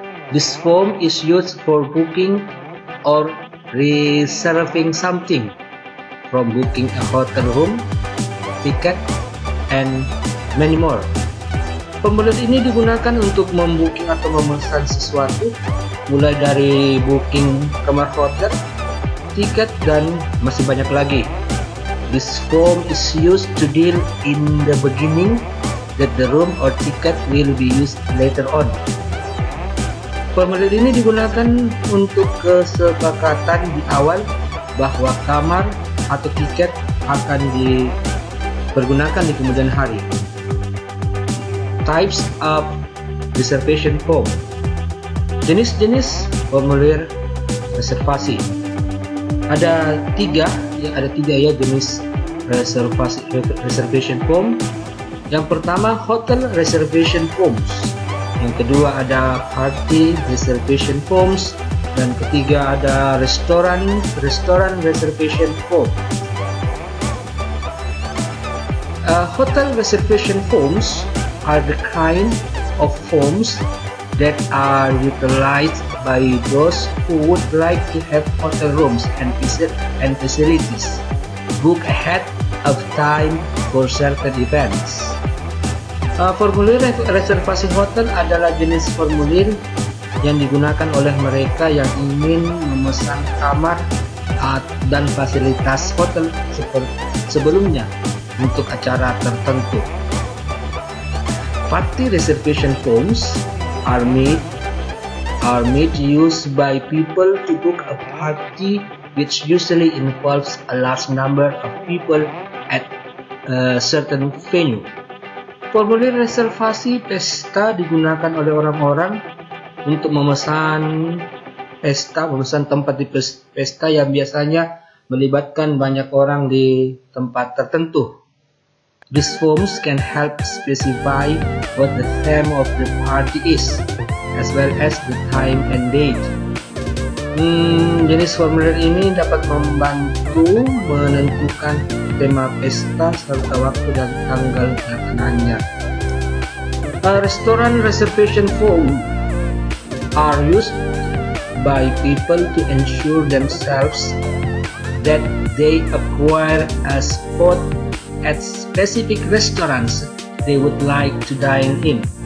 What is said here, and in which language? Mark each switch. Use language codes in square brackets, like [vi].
[en] This form is used for booking or reserving something, from booking a hotel room, ticket, and many more. [id] Formulir ini digunakan untuk membooking atau memesan sesuatu, mulai dari booking kamar hotel, tiket, dan masih banyak lagi. [en] This form is used to deal in the beginning that the room or ticket will be used later on. [id] Formulir ini digunakan untuk kesepakatan di awal bahwa kamar atau tiket akan dipergunakan di kemudian hari. [en] Types of reservation form. [id] Jenis-jenis formulir reservasi. Ada tiga jenis reservation form. Yang pertama hotel reservation forms. Yang kedua ada party reservation forms. Dan ketiga ada restoran reservation form. [en] Hotel reservation forms are the kind of forms that are utilized by those who would like to have hotel rooms and facilities book ahead of time for certain events. [id] Formulir reservasi hotel adalah jenis formulir yang digunakan oleh mereka yang ingin memesan kamar dan fasilitas hotel sebelumnya untuk acara tertentu. [en] Party reservation forms are made used by people to book a party which usually involves a large number of people at a certain venue. [id] Formulir reservasi pesta digunakan oleh orang-orang untuk memesan tempat di pesta yang biasanya melibatkan banyak orang di tempat tertentu. [en] These forms can help specify what the theme of the party is, as well as the time and date. [id] Jenis formulir ini dapat membantu menentukan tema pesta serta waktu dan tanggal kedatangannya. [en] Restaurant reservation forms are used by people to ensure themselves that they acquire a spot at specific restaurants they would like to dine in.